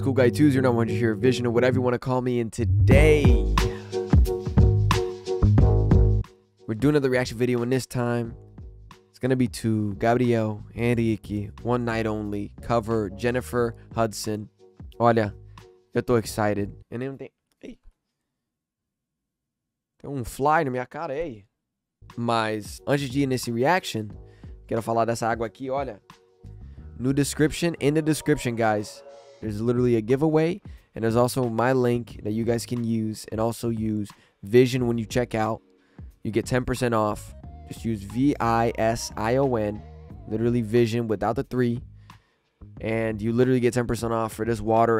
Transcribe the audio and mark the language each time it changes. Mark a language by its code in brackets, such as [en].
[en] Cool Guy Twos, your number one here, Vision, or whatever you want to call me. And today, we're doing another reaction video, and this time, it's going to be to Gabriel Henrique, One Night Only, cover Jennifer Hudson. [pt] Olha, eu tô excited. [en] And then, [pt] tem um fly na minha cara, ei. Mas, antes de ir nesse reaction, quero falar dessa água aqui, olha. [en] No description, in the description, guys. There's literally a giveaway, and there's also my link that you guys can use, and also use Vision when you check out. You get 10% off. Just use V-I-S-I-O-N, literally Vision without the three, and you literally get 10% off for this water.